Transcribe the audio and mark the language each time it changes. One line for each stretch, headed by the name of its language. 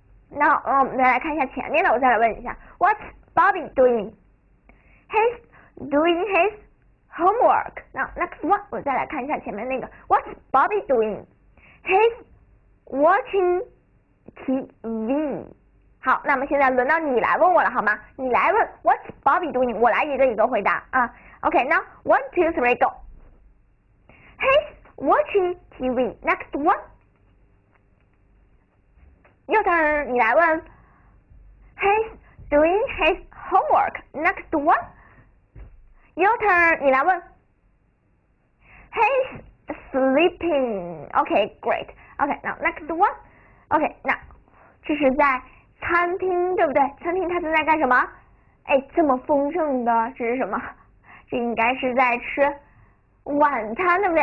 Chinese: Now 来看一下前面的，我再来问一下。
English: What's Bobby doing? He's doing his homework. Now next one,
Chinese: 我再来看一下前面那个。
English: What's Bobby doing? He's watching TV.
Chinese: 好，那么现在轮到你来问我了，好吗？你来问
English: What's Bobby doing?
Chinese: 我来一个一个回答啊。
English: OK, now 1, 2, 3, go. He's watching TV. Next one. Your turn.
Chinese: 你来问
English: He's doing his homework. Next one. Your turn.
Chinese: 你来问
English: He'sSleeping. Okay, great. Okay, now next one. Okay, now
Chinese: 这是在餐厅，对不对？餐厅他正在干什么？哎，这么丰盛的，这是什么？这应该是在吃晚餐，对不对？